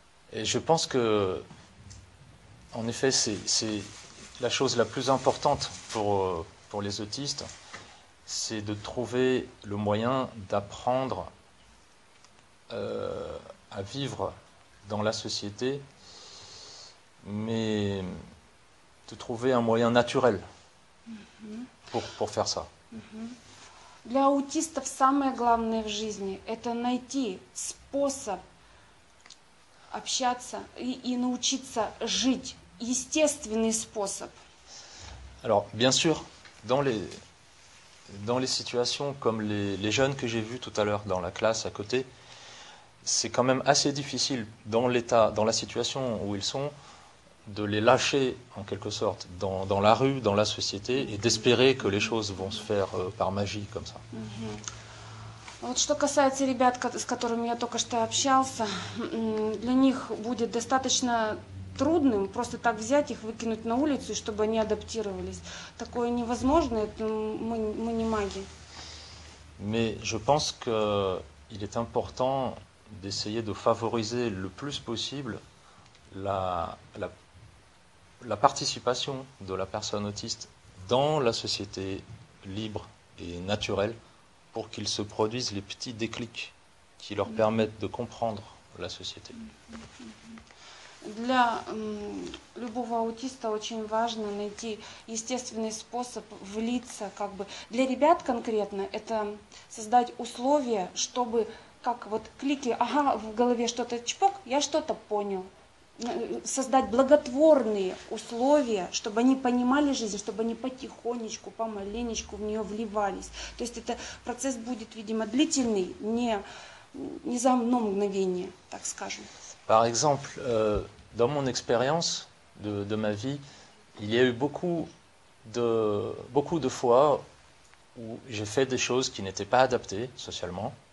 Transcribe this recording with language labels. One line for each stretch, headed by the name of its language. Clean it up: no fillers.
French: Et je pense que, en effet, c'est la chose la plus importante pour les autistes, c'est de trouver le moyen d'apprendre à vivre dans la société, mais de trouver un moyen naturel pour faire ça.
Russian: Для аутистов самое главное в жизни – это найти способ общаться и научиться жить, естественный способ.
French: Alors, bien sûr, dans les situations comme les jeunes que j'ai vus tout à l'heure dans la classe à côté, c'est quand même assez difficile dans l'état, dans la situation où ils sont, de les lâcher en quelque sorte dans la rue, dans la société, et d'espérer que les choses vont se faire par magie comme ça.
Russian: Вот что касается ребят, с которыми я только что общался, для них будет достаточно трудным просто так взять их, выкинуть на улицу, чтобы они адаптировались. Такое невозможно, это мы не маги.
French: Mais je pense que il est important d'essayer de favoriser le plus possible la participation de la personne autiste dans la société libre et naturelle. Pour qu'ils se produisent les petits déclics qui leur permettent de comprendre la société.
Russian: Для любого аутиста очень важно найти естественный способ влиться, как бы для ребят конкретно это создать условия, чтобы как вот клики, ага, в голове что-то чпок, я что-то понял. Создать благотворные условия, чтобы они понимали жизнь, чтобы они потихонечку, помаленечку в нее вливались. То есть это процесс будет, видимо, длительный, не за одно мгновение, так скажем.
French: Par exemple, dans mon expérience de ma vie, il y a eu beaucoup de fois où j'ai fait des choses qui n'étaient pas adaptées socialement.